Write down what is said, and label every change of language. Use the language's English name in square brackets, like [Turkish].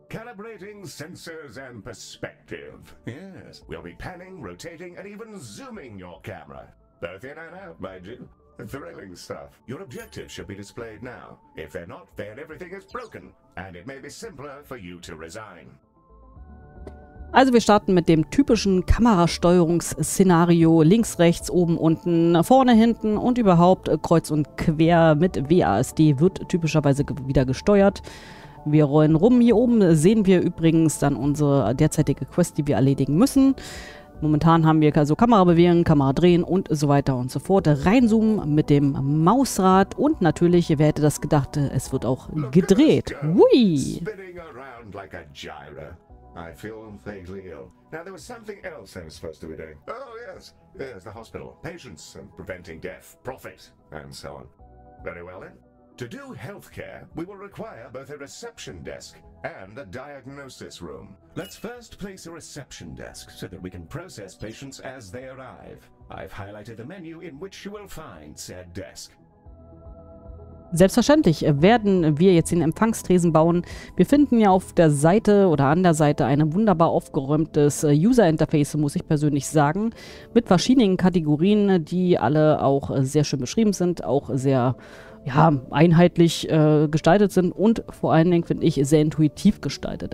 [English] Calibrating sensors and perspective. Yes, we'll be panning, rotating, and even zooming your camera. Both in and out, mind you. Thrilling stuff. Your objectives should be displayed now. If they're not, then everything is broken, and it may be simpler for you to resign. [German] Also wir starten mit dem typischen Kamerasteuerungsszenario. Links, rechts, oben, unten, vorne, hinten und überhaupt kreuz und quer mit WASD wird typischerweise wieder gesteuert. Wir rollen rum. Hier oben sehen wir übrigens dann unsere derzeitige Quest, die wir erledigen müssen. Momentan haben wir also Kamera bewegen, Kamera drehen und so weiter und so fort. Reinzoomen mit dem Mausrad und natürlich, wer hätte das gedacht, es wird auch gedreht. [English] Hui! Spinning around like a gyro. I feel faintly ill. Now there was something else I was supposed to be doing. Oh yes, yes, the hospital. Patients and preventing death, profit and so on. Very well then. To do healthcare, we will require both a reception desk and a diagnosis room. Let's first place a reception desk so that we can process patients as they arrive. I've highlighted the menu in which you will find said desk. [German] Selbstverständlich werden wir jetzt den Empfangstresen bauen. Wir finden ja auf der Seite oder an der Seite ein wunderbar aufgeräumtes User-Interface, muss ich persönlich sagen, mit verschiedenen Kategorien, die alle auch sehr schön beschrieben sind, auch sehr ja, einheitlich gestaltet sind und vor allen Dingen, finde ich, sehr intuitiv gestaltet.